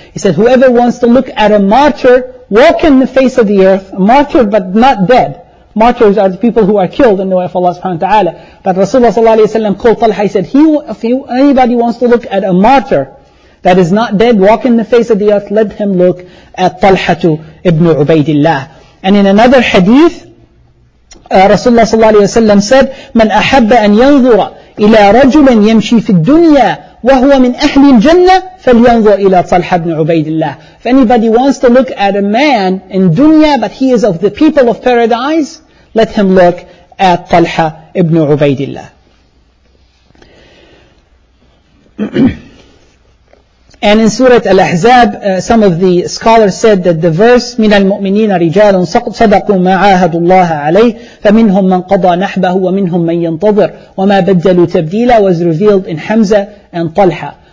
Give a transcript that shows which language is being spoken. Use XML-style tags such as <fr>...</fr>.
<en>He said, whoever wants to look at a martyr walking the face of the earth, a martyr but not dead. Martyrs are the people who are killed in the way of Allah subhanahu wa ta'ala. But Rasulullah sallallahu alayhi wa sallam called Talha. He said, anybody wants to look at a martyr that is not dead, walk in the face of the earth, let him look at Talha ibn Ubaidillah. And in another hadith, Rasulullah sallallahu alayhi wa sallam said,</en> <ar>من أحب أن ينظر إلى رجل يمشي في الدنيا وهو من أهل الجنة فلينظر إلى طلحة ابن عبيدillah.</ar> <en>If anybody wants to look at a man in dunya, but he is of the people of paradise, let him look at Talha ibn Ubaidillah. And in Surah Al-Ahzab, some of the scholars said that the verse,</en> <ar>مِنَ الْمُؤْمِنِينَ رِجَالٌ صَدَقُوا مَا عَاهَدُوا اللَّهَ عَلَيْهِ فَمِنْهُمْ مَنْ قَضَى نَحْبَهُ وَمِنْهُمْ مَنْ يَنْتَظِرُ وَمَا بَدَّلُوا تَبْدِيلًا</ar> <en>was revealed in Hamza and Talha.</en>